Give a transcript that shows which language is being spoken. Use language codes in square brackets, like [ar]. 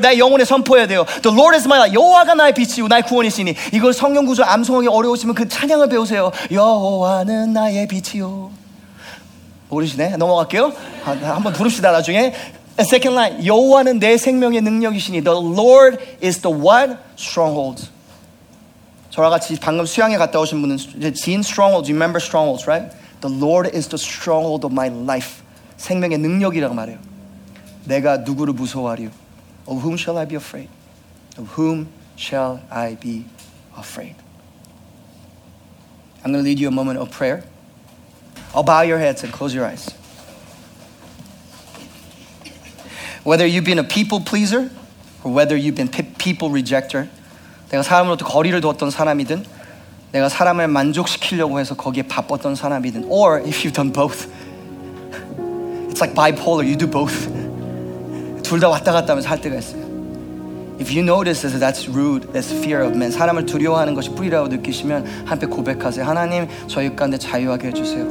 [ko] 내 영혼에 선포해야 돼요. [en] The Lord is my light. [ko] 여호와가 나의 빛이요 나의 구원이시니. 이걸 성경 구절 암송하기 어려우시면 그 찬양을 배우세요. 여호와는 나의 빛이요. 모르시네? 넘어갈게요. 한번 부릅시다 나중에. [en] And second line. [ko] 여호와는 내 생명의 능력이시니. [en] The Lord is the what? Stronghold. [ko] 저와 같이 방금 수양에 갔다 오신 분은 지인 strongholds. [en] You remember strongholds, right? The Lord is the stronghold of my life. [ko] 생명의 능력이라고 말해요. 내가 누구를 무서워하리요? [en] Of whom shall I be afraid? Of whom shall I be afraid? I'm going to lead you a moment of prayer. I'll bow your heads and close your eyes. Whether you've been a people pleaser or whether you've been people rejecter, [ko] 내가 사람으로부터 거리를 두었던 사람이든 내가 사람을 만족시키려고 해서 거기에 바빴던 사람이든 [en] or if you've done both, It's like bipolar. You do both. [ko] 둘 다 왔다 갔다 하면서 할 때가 있어요. [en] If you notice that that's rude, that's fear of men. [ko] 사람을 두려워하는 것이 뿌리라고 느끼시면 함께 고백하세요. 하나님, 저희 가운데 자유하게 해주세요.